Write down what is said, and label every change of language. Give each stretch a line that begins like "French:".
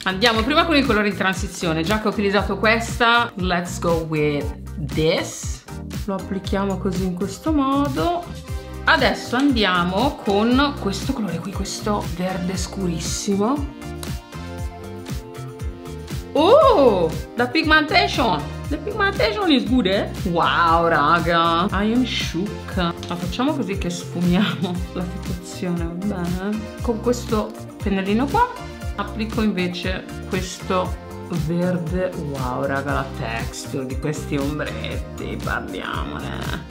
Italian: Andiamo prima con il colore in transizione, già che ho utilizzato questa,
English: let's go with this.
Italian: Lo applichiamo così in questo modo. Adesso andiamo con questo colore qui, questo verde scurissimo.
English: Oh, the pigmentation is good, eh? Wow, raga, I am shook.
Italian: La facciamo così che sfumiamo la situazione, va bene? Con questo pennellino qua applico invece questo verde. Wow, raga, la texture di questi ombretti, parliamone.